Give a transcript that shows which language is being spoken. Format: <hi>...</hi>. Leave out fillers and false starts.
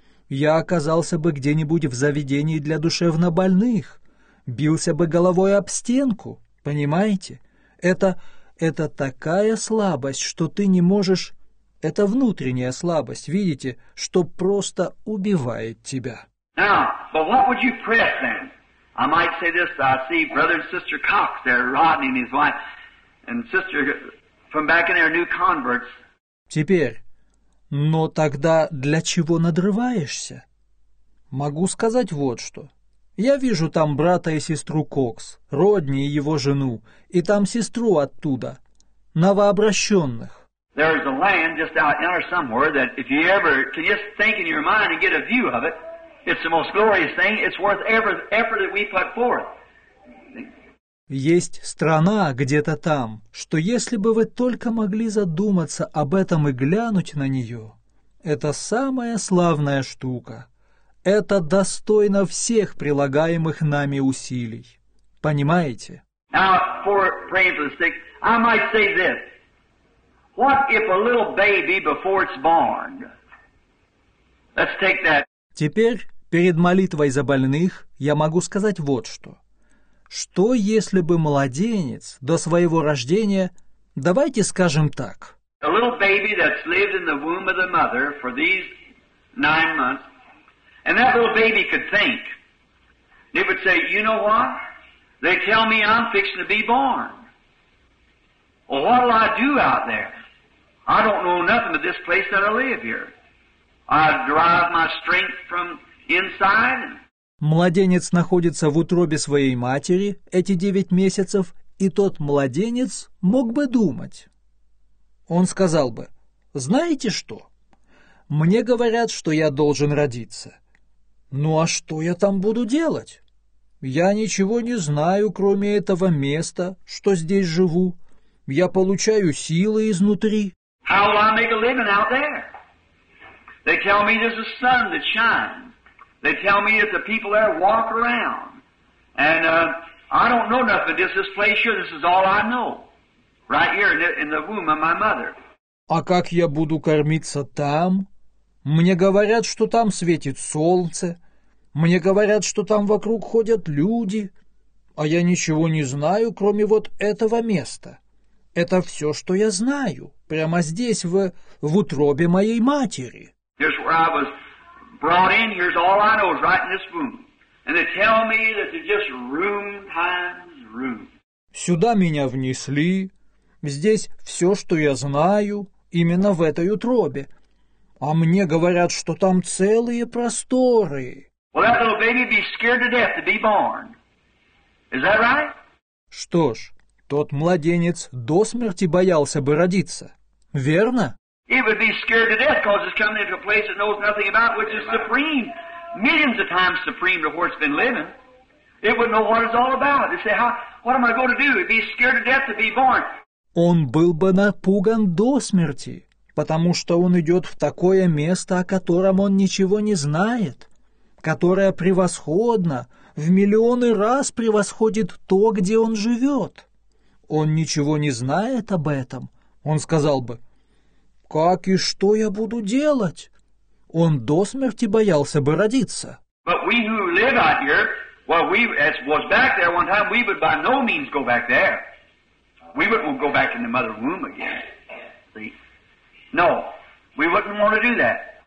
<ru>Я оказался бы где-нибудь в заведении для душевнобольных, бился бы головой об стенку, понимаете? Это такая слабость, что ты не можешь... Это внутренняя слабость, видите, что просто убивает тебя.</ru> <en>Now, but what would you press then? I might say this, I see brother and sister Cox there, Rodney and his wife, and sister from back in there, new converts.</en> <ru>Теперь, но тогда для чего надрываешься? Могу сказать вот что. Я вижу там брата и сестру Кокс, Родни и его жену, и там сестру оттуда, новообращенных.</ru> <en>There's a land just out there somewhere that if you ever can just think in your mind and get a view of it, it's the most glorious thing. It's worth every effort that we put forth.</en> <ru>Есть страна где-то там, что если бы вы только могли задуматься об этом и глянуть на нее, это самая славная штука. Это достойно всех прилагаемых нами усилий. Понимаете?</ru> <en>Now, for praying for the sick, I might say this. What if a little baby before it's born? Let's take that.</en> <ru>Теперь... Перед молитвой за больных я могу сказать вот что. Что если бы младенец до своего рождения, давайте скажем так.</ru> <en>A little baby that's lived in the womb of the mother for these 9 months, and that little baby could think. They would say, you know what? They tell me I'm fixing to be born. Well, what'll I do out there? I don't know nothing but this place that I live here. I derive my strength from... Inside.</en> <ru>Младенец находится в утробе своей матери эти 9 месяцев, и тот младенец мог бы думать. Он сказал бы, знаете что? Мне говорят, что я должен родиться. Ну а что я там буду делать? Я ничего не знаю, кроме этого места, что здесь живу. Я получаю силы изнутри.</ru> <en>How will I make a living out there? They tell me there's a sun that shines. They tell me that the people there walk around. And I don't know nothing. Just this place here, this is all I know. Right here in the womb of my mother.</en> <ru>А как я буду кормиться там? Мне говорят, что там светит солнце. Мне говорят, что там вокруг ходят люди. А я ничего не знаю, кроме вот этого места. Это все, что я знаю. Прямо здесь, в утробе моей матери.</ru> <en>Here's where I was... Brought in, here's all I know is right in this room. And they tell me that it's just room times room.</en> <ru>Сюда меня внесли. Здесь все, что я знаю, именно в этой утробе. А мне говорят, что там целые просторы.</ru> <en>Well, that little baby be scared to death to be born. Is that right?</en> <ru>Что ж, тот младенец до смерти боялся бы родиться. Верно?</ru> <en>It would be scared to death because it's coming into a place it knows nothing about, which is supreme, millions of times supreme to where it's been living. It would know what it's all about. It'd say, "How? What am I going to do?" It'd be scared to death to be born.</en> <ru>Он был бы напуган до смерти, потому что он идет в такое место, о котором он ничего не знает, которое превосходно, в миллионы раз превосходит то, где он живет. Он ничего не знает об этом. Он сказал бы. Как и что я буду делать? Он до смерти боялся бы родиться.</ru> <en>But we who live out here, well, we as was back there one time, we would by no means go back there. We wouldn't go back in the mother womb again. See? No, we wouldn't want to do that.</en>